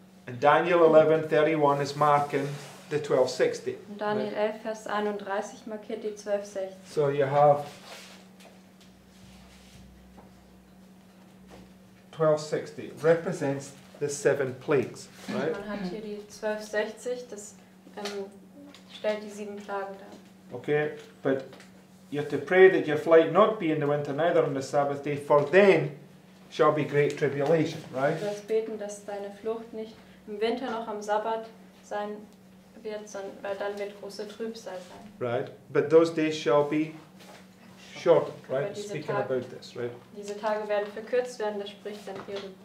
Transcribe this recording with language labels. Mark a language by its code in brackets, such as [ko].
[en] And Daniel 11, 31 is marking the 1260. [de] Und Daniel 11, Vers 31 markiert die 1260. [en] So you have 1260 represents the seven plagues, right? [de] Man hat hier die 1260, das stellt die sieben Plagen dar. [en] Okay, but you have to pray that your flight not be in the winter, neither on the Sabbath day, for then shall be great tribulation, right? [de] Du musst beten, dass deine Flucht nicht im Winter noch am Sabbat sein wird, sondern weil dann wird große Trübsal sein. [en] Right, but those days shall be shortened, right? Speaking about this, right? [de] Diese Tage werden verkürzt werden, das spricht dann hier.